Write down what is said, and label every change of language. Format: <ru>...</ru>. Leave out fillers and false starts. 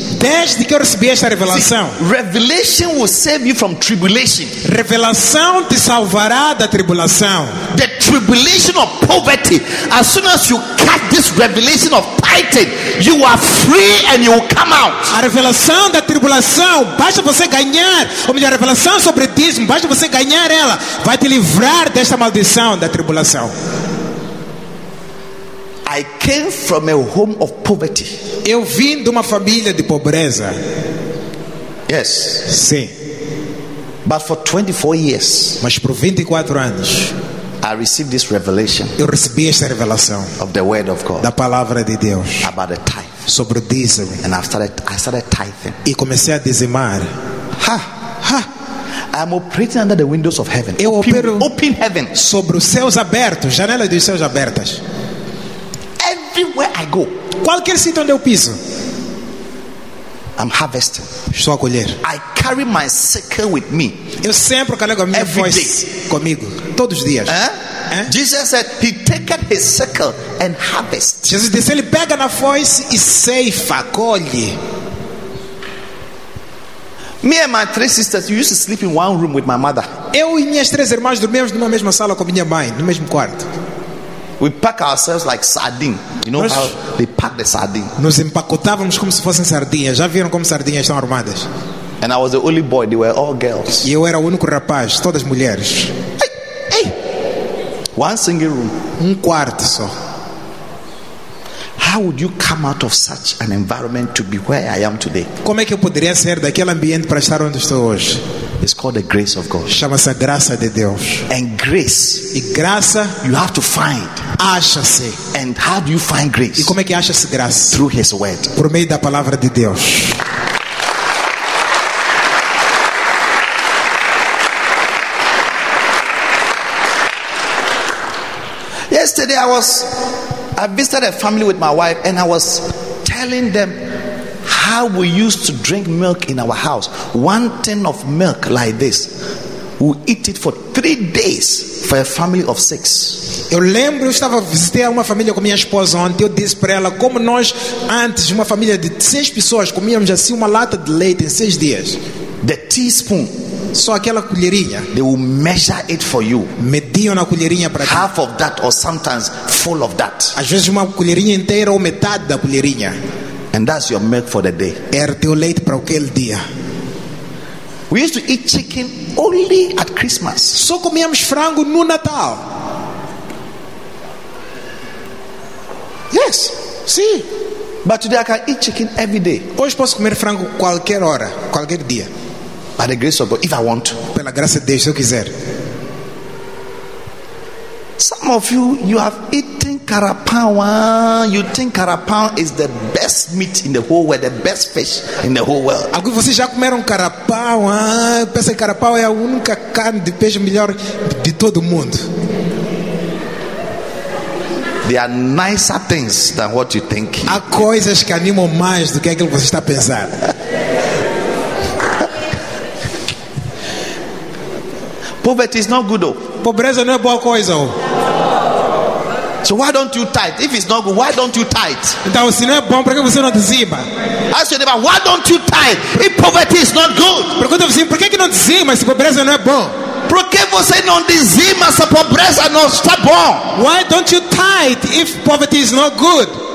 <pt>Desde que eu recebi esta revelação.</pt> <en>See, revelation will save you from tribulation.</en> <pt>Revelação te salvará da tribulação.</pt> <en>The tribulation of poverty. As soon as you cut this revelation of tithing, you are free and you will come out.</en> <pt>A revelação da tribulação, basta você ganhar, ou melhor, a revelação sobre dízimo, basta você ganhar ela, vai te livrar desta maldição da tribulação.</pt> <en>I came from a home of poverty.</en> <pt>Eu vim de uma família de pobreza.</pt> <en>Yes.</en> <pt>Sim.</pt> <en>But for 24 years.</en> <pt>Mas por 24 anos.</pt> <en>I received this revelation.</en> <pt>Eu recebi esta revelação.</pt> <en>Of the word of God.</en> <pt>Da palavra de Deus.</pt> <en>About the tithe.</en> <pt>Sobre o dízimo.</pt> <en>And I started tithing.</en> <pt>E comecei a dizimar. Ha! Ha!</pt> <en>I'm operating under the windows of heaven.</en> <pt>Eu opero</pt> <en>open heaven.</en> <pt>Sobre os céus abertos, janelas dos céus abertas.</pt> <en>Everywhere I go,</en> <pt>qualquer sítio onde eu piso,</pt> <en>I'm harvesting.</en> <pt>Estou a colher.</pt> <en>I carry my sickle with me.</en> <pt>Eu sempre carrego a minha foice comigo, todos os dias.</pt> <en>Jesus said he taken his sickle and harvest.</en> <pt>Jesus disse, ele pega na foice e ceifa, colhe.</pt> <en>Me and my three sisters used to sleep in one room with my mother.</en> <pt>Eu e minhas três irmãs dormíamos numa mesma sala com minha mãe, no mesmo quarto.</pt> <en>We pack ourselves like sardine. You know how they pack the sardine.</en> <pt>Nos empacotávamos como se fossem sardinhas. Já viram como sardinhas estão armadas?</pt> <en>And I was the only boy. They were all girls.</en> <pt>E eu era o único rapaz. Todas mulheres.</pt> <en>Hey, hey. One single room.</en> <pt>Quarto só.</pt> <en>How would you come out of such an environment to be where I am today?</en> <pt>Como é que eu poderia sair daquele ambiente para estar onde estou hoje?</pt> <en>It's called the grace of God.</en> <pt>Chama-se a graça de Deus.</pt> <en>And grace.</en> <pt>E graça.</pt> <en>You have to find.</en> <pt>Acha-se.</pt> <en>And how do you find grace?</en> <pt>E como é que acha-se graça?</pt> <en>Through His word.</en> <pt>Por meio da palavra de Deus.</pt> <en>Yesterday I visited a family with my wife and I was telling them how we used to drink milk in our house. One tin of milk like this. We eat it for 3 days for a family of 6.</en> <pt>Eu lembro, eu estava a visitar uma família com minha esposa ontem. Eu disse para ela como nós antes, uma família de 6 pessoas, comíamos assim uma lata de leite em 6 dias.</pt> <en>The teaspoon.</en> <pt>Só aquela colherinha.</pt> <en>They will measure it for you.</en> <pt>Mediam na colherinha para ti.</pt> <en>Half of that or sometimes full of that.</en> <pt>Às vezes uma colherinha inteira ou metade da colherinha.</pt> <en>And that's your milk for the day.</en> <pt>Era teu leite para aquele dia.</pt> <en>We used to eat chicken only at Christmas.</en> <pt>Só comíamos frango no Natal.</pt> <en>Yes.</en> <pt>Sim.</pt> <en>But today I can eat chicken every day.</en> <pt>Hoje posso comer frango qualquer hora, qualquer dia.</pt> <en>By the grace of God, if I want.</en> <pt>Pela graça de Deus, se eu quiser.</pt> <en>Some of you have eaten carapauan. You think carapauan is the best meat in the whole world, the best fish in the whole world.</en> <pt>Alguns de vocês já comeram carapauan. Pensa que carapauan é a única carne de peixe melhor de todo mundo.</pt> <en>There are nicer things than what you think.</en> <pt>Há coisas que animam mais do que aquilo que você está pensando.</pt> <en>Poverty is not good, though.</en> <pt>Pobreza não é boa coisa.</pt> <en>So why don't you tithe? If it's not good, why don't you tithe?</en> <pt>Então, se não é bom, por que você não dizima?</pt> <en>Ask your neighbor, why don't you tithe? If poverty is not good.</en> <pt>Pergunta ao vizinho, por que não dizima se pobreza não é bom? Por que você não dizima se pobreza não está bom?</pt> <en>Why don't you tithe if poverty is not good?</en>